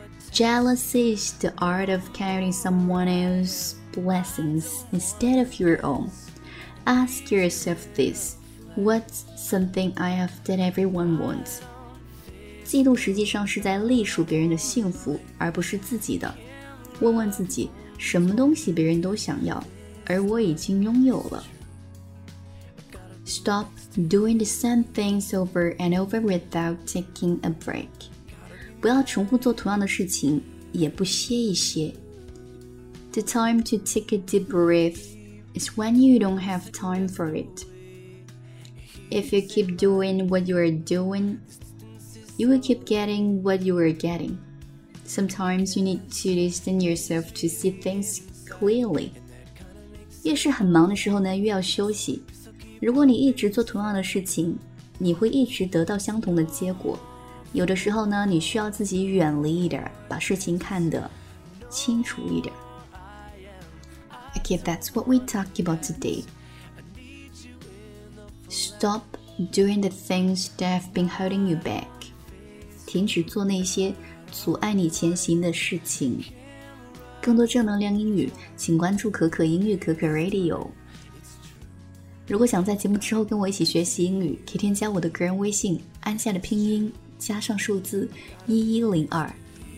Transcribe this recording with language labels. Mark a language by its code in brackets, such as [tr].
[en] Jealousy is the art of counting someone else's blessings instead of your own. Ask yourself this: what's something I have that everyone wants? [zh] 嫉妒实际上是在隶属别人的幸福，而不是自己的。问问自己，什么东西别人都想要，而我已经拥有了。 [en] Stop doing the same things over and over without taking a break. [zh] 不要重复做同样的事情，也不歇一歇。 [en] The time to take a deep breath is when you don't have time for it. If you keep doing what you are doing, you will keep getting what you are getting. Sometimes you need to distance yourself to see things clearly. [zh] 越是很忙的时候呢，越要休息。如果你一直做同样的事情，你会一直得到相同的结果。有的时候呢，你需要自己远离一点，把事情看得清楚一点。 [en] Okay, that's what we talk about today. Stop doing the things that have been holding you back. [zh] 停止做那些阻碍你前行的事情。更多正能量英语，请关注可可英语可可 Radio。如果想在节目之后跟我一起学习英语，可以添加我的个人微信，安夏的拼音加上数字1102。